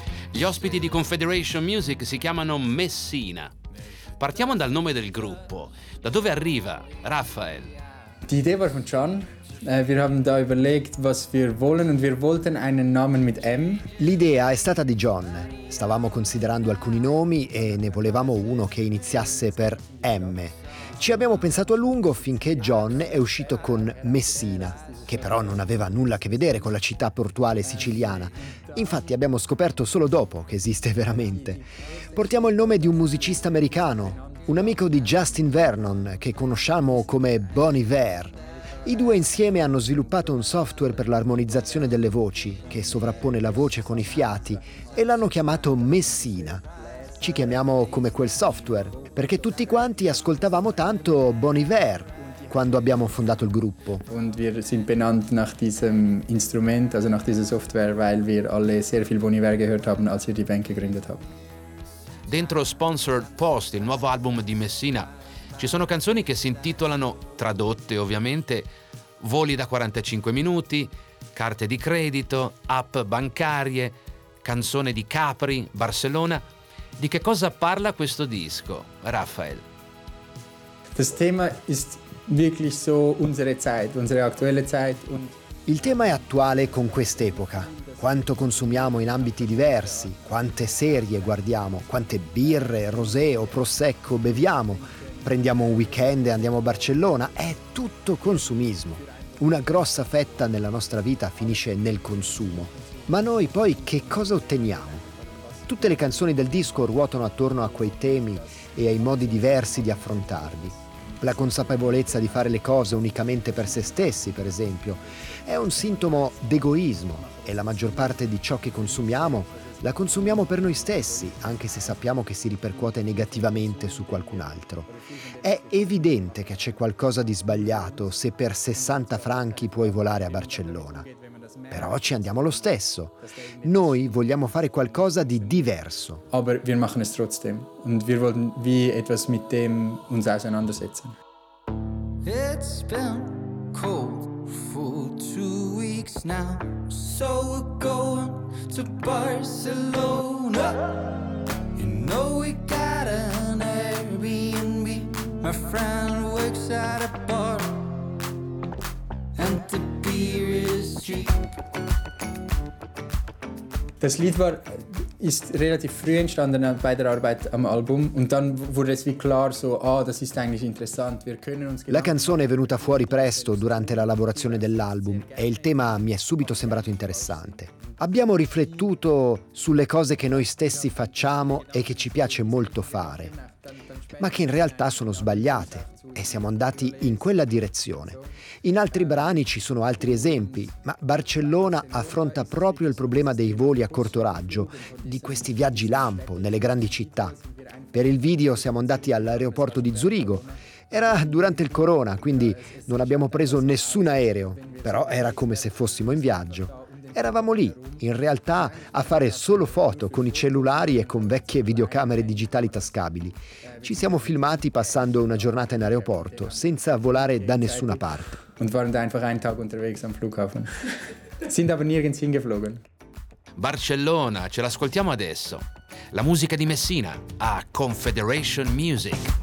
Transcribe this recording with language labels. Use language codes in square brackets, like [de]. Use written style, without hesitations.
[it] Gli ospiti di Confederation Music si chiamano Messina. Partiamo dal nome del gruppo. Da dove arriva Raphael? [de] Die Idee war von John. Wir haben da überlegt, was wir wollen und wir wollten einen Namen mit M. [it] L'idea è stata di John. Stavamo considerando alcuni nomi e ne volevamo uno che iniziasse per M. Ci abbiamo pensato a lungo finché John è uscito con Messina, che però non aveva nulla a che vedere con la città portuale siciliana. Infatti abbiamo scoperto solo dopo che esiste veramente. Portiamo il nome di un musicista americano, un amico di Justin Vernon, che conosciamo come Bon Iver. I due insieme hanno sviluppato un software per l'armonizzazione delle voci, che sovrappone la voce con i fiati, e l'hanno chiamato Messina. Ci chiamiamo come quel software, perché tutti quanti ascoltavamo tanto Bon Iver quando abbiamo fondato il gruppo. [de] Und wir sind benannt nach diesem Instrument, also nach dieser Software, weil wir alle sehr viel Bon Iver gehört haben, als wir die Band gegründet haben. [it] Dentro Sponsored Post, il nuovo album di Messina, ci sono canzoni che si intitolano, tradotte ovviamente, Voli da 45 minuti, Carte di credito, App bancarie, Canzone di Capri, Barcellona. Di che cosa parla questo disco, Raphael? [de] Das Thema ist wirklich so unsere Zeit, unsere aktuelle Zeit. [it] Il tema è attuale con quest'epoca. Quanto consumiamo in ambiti diversi, quante serie guardiamo, quante birre, rosé o prosecco beviamo, prendiamo un weekend e andiamo a Barcellona. È tutto consumismo. Una grossa fetta nella nostra vita finisce nel consumo. Ma noi poi che cosa otteniamo? Tutte le canzoni del disco ruotano attorno a quei temi e ai modi diversi di affrontarli. La consapevolezza di fare le cose unicamente per se stessi, per esempio, è un sintomo d'egoismo e la maggior parte di ciò che consumiamo la consumiamo per noi stessi, anche se sappiamo che si ripercuote negativamente su qualcun altro. È evidente che c'è qualcosa di sbagliato se per 60 franchi puoi volare a Barcellona. Però ci andiamo lo stesso. Noi vogliamo fare qualcosa di diverso. [de] Aber wir machen es trotzdem und wir wollen wie etwas mit dem uns auseinandersetzen. [en] It's been cold for 2 weeks now, so we're going to Barcelona. You know we got an Airbnb. My friend works at a bar and the beer is cheap. [de] Das Lied ist relativ früh entstanden bei der Arbeit am Album und dann wurde es wie klar so, ah, das ist eigentlich interessant, wir können uns... [it] La canzone è venuta fuori presto durante la lavorazione dell'album e il tema mi è subito sembrato interessante. Abbiamo riflettuto sulle cose che noi stessi facciamo e che ci piace molto fare, ma che in realtà sono sbagliate e siamo andati in quella direzione. In altri brani ci sono altri esempi, ma Barcellona affronta proprio il problema dei voli a corto raggio, di questi viaggi lampo nelle grandi città. Per il video siamo andati all'aeroporto di Zurigo. Era durante il corona, quindi non abbiamo preso nessun aereo, però era come se fossimo in viaggio. eravamo lì, in realtà, a fare solo foto con i cellulari e con vecchie videocamere digitali tascabili. Ci siamo filmati passando una giornata in aeroporto, senza volare da nessuna parte. [de] Und waren da einfach einen Tag unterwegs am Flughafen. Sind aber nirgends hingeflogen. [it] Barcellona, ce l'ascoltiamo adesso. La musica di Messina a Confederation Music.